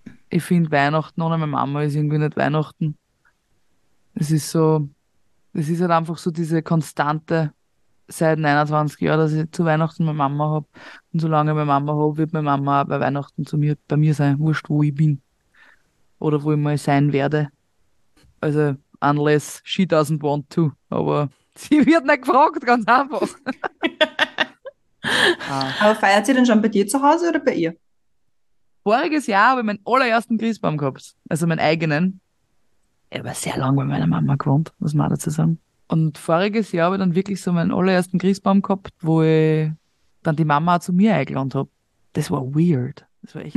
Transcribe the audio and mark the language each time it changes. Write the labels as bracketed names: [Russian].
[German] Ich finde Weihnachten ohne meine Mama ist irgendwie nicht Weihnachten. Es ist so, es ist halt einfach so diese Konstante, seit 29 Jahren, dass ich zu Weihnachten meine Mama habe. Und solange ich meine Mama habe, wird meine Mama bei Weihnachten zu mir, bei mir sein. Wurscht, wo ich bin. Oder wo ich mal sein werde. [English] Also, unless she doesn't want to. [German] Aber sie wird nicht gefragt, ganz einfach. Aber feiert sie denn schon bei dir zu Hause oder bei ihr? Voriges Jahr habe ich meinen allerersten Christbaum gehabt. Also meinen eigenen. Ich war sehr lange bei meiner Mama gewohnt, muss man dazu sagen. Und voriges Jahr habe ich dann wirklich so meinen allerersten Christbaum gehabt, wo ich dann die Mama auch zu mir eingeladen habe. Das war weird. Das war echt.